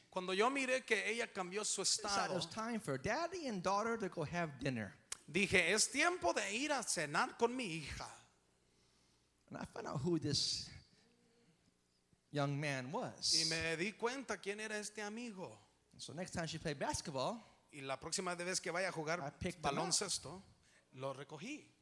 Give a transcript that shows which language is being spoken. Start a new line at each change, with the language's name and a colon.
Spanish: cuando yo miré que ella cambió su estado,
English: it was time for daddy and daughter to go have dinner.
Spanish: Dije, es tiempo de ir a cenar con mi hija.
English: And I found out who this young man was.
Spanish: Y me di cuenta quién era este amigo.
English: So next time she played basketball,
Spanish: y la próxima vez que vaya a jugar baloncesto, lo recogí.